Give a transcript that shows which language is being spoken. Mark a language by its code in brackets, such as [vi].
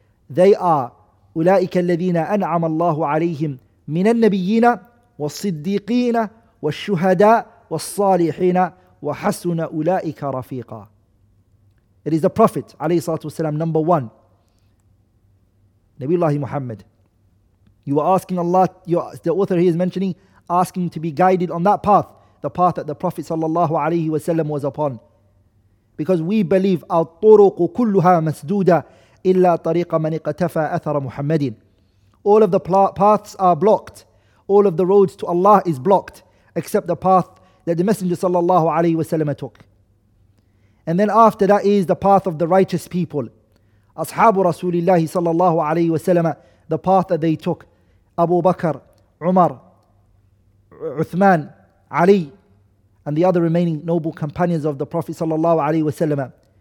[en] They are, [ar] أُولَٰئِكَ الَّذِينَ أَنْعَمَ اللَّهُ عَلَيْهِمْ مِنَ النَّبِيِّينَ وَالصِّدِّيقِينَ وَالشُّهَدَاءَ وَالصَّالِحِينَ وَحَسُنَ أُولَٰئِكَ رَفِيقًا. [en] It is the Prophet [ar] عليه الصلاة والسلام, [en] number one, Nabiullah Muhammad. You are asking Allah, the author he is mentioning, asking to be guided on that path, the path that the Prophet sallallahu alayhi wasallam was upon. Because we believe [ar] الطرق كلها مسدودة إلا طريق من اقتفى أثر محمد. [en] All of the paths are blocked. All of the roads to Allah is blocked, except the path that the Messenger sallallahu alayhi wasallam took. And then after that is the path of the righteous people. Ashabu Rasulillahi sallallahu alayhi wasallam, the path that they took. Abu Bakr, Umar, Uthman, Ali, and the other remaining noble companions of the Prophet sallallahu alayhi wasallam.